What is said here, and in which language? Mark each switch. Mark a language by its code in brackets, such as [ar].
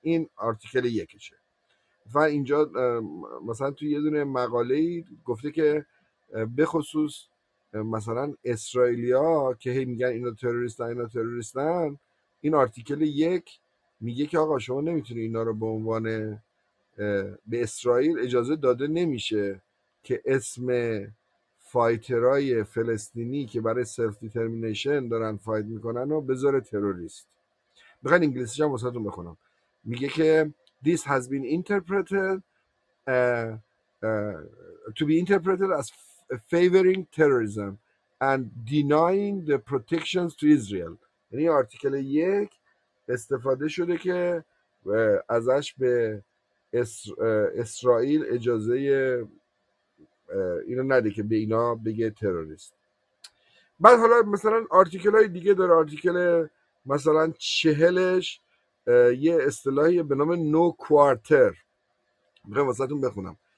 [fa] این آرتیکل یکشه. و اینجا مثلا تو یه دونه مقاله گفته که بخصوص مثلا اسرائیلیا که هی میگن اینا تروریستن، این آرتیکل یک میگه که آقا شما نمیتونی اینا رو به عنوان به اسرائیل اجازه داده نمیشه که اسم فایترای فلسطینی که برای سلف دیترمینیشن دارن فایت میکنن و بذاره تروریست. بخواین انگلیسیش هم واسه تون بخونم، میگه که [en] this has been interpreted to be interpreted as favoring terrorism and denying the protections to Israel. [fa] یعنی آرتیکل یک استفاده شده که ازش به اسرائیل اجازه اینو نده که به اینا بگه تروریست. بعد حالا مثلا آرتیکل های دیگه داره، آرتیکل مثلا 40ش یه اصطلاحی به نام نو کوارتر، میخوام واسهتون بخونم.